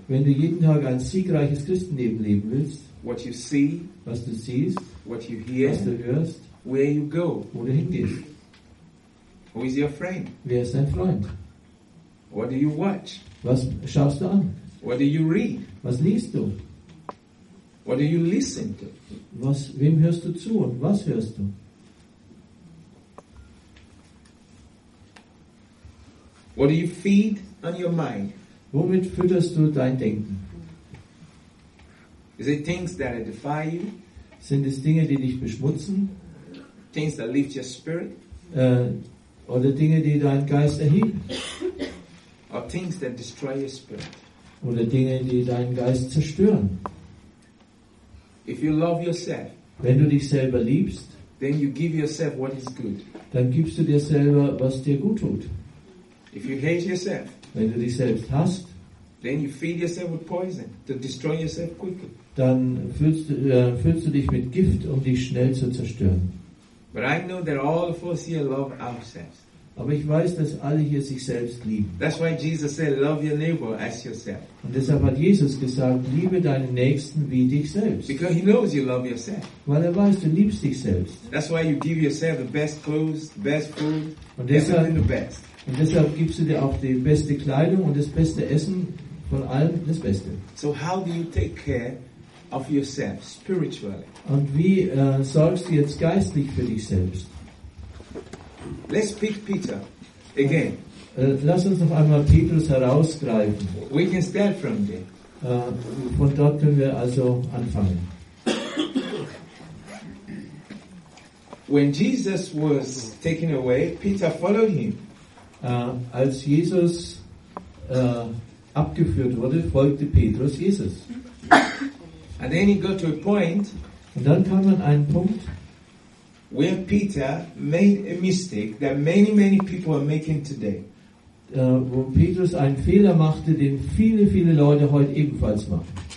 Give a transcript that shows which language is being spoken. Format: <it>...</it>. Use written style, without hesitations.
<de>Wenn du jeden Tag ein siegreiches Christenleben leben willst.</de> <en>What you see.</en> <de>Was du siehst.</de> <en>What you hear,</en> <de>was du hörst,</de> <en>where you go,</en> <de>wo du hingehst.</de> <en>Who is your friend?</en> <de>Wer ist dein Freund?</de> <en>What do you watch?</en> <de>Was schaust du an?</de> <en>What do you read?</en> <de>Was liest du?</de> <en>What do you listen to?</en> <de>Was, wem hörst du zu und was hörst du?</de> <en>What do you feed on your mind?</en> <de>Womit fütterst du dein Denken?</de> <en>Is it things that defy you?</en> <de>Sind es Dinge, die dich beschmutzen?</de> <en>Things that lift your spirit?</en> <de>Oder Dinge, die deinen Geist erheben?</de> <en>Or things that destroy your spirit?</en> <de>Oder Dinge, die deinen Geist zerstören?</de> <en>If you love yourself,</en> <de>wenn du dich selber liebst,</de> <en>then you give yourself what is good.</en> <de>Dann gibst du dir selber, was dir gut tut.</de> <en>If you hate yourself,</en> <de>wenn du dich selbst hasst,</de> <en>then you feed yourself with poison to destroy yourself quickly.</en> <de>Dann füllst du dich mit Gift, um dich schnell zu zerstören.</de> <en>But I know that all of us here love ourselves.</en> <de>Aber ich weiß, dass alle hier sich selbst lieben.</de> <en>That's why Jesus said, "Love your neighbor as yourself."</en> <de>Und deshalb hat Jesus gesagt, liebe deinen Nächsten wie dich selbst.</de> <en>Because he knows you love yourself.</en> <de>Weil er weiß, du liebst dich selbst.</de> <en>That's why you give yourself the best clothes, the best food,</en> <de>und deshalb,</de> <en>everything the best.</en> <de>Und deshalb gibst du dir auch die beste Kleidung und das beste Essen, von allem das Beste.</de> <en>So how do you take care of yourself spiritually?</en> <de>Und wie sorgst du jetzt geistlich für dich selbst?</de> <en>Let's pick Peter again.</en> <de>Lass uns noch einmal Petrus herausgreifen.</de> <en>We can start from there.</en> <de>Von dort können wir also anfangen.</de> <en>When Jesus was taken away, Peter followed him.</en> <de>Als Jesus abgeführt wurde, folgte Petrus Jesus.</de> <en>And then he got to a point,</en> <de>und dann kam man an einen Punkt,</de> <en>where Peter made a mistake that many, many people are making today.</en> <de>Wo Petrus einen Fehler machte, den viele, viele Leute heute ebenfalls machen.</de>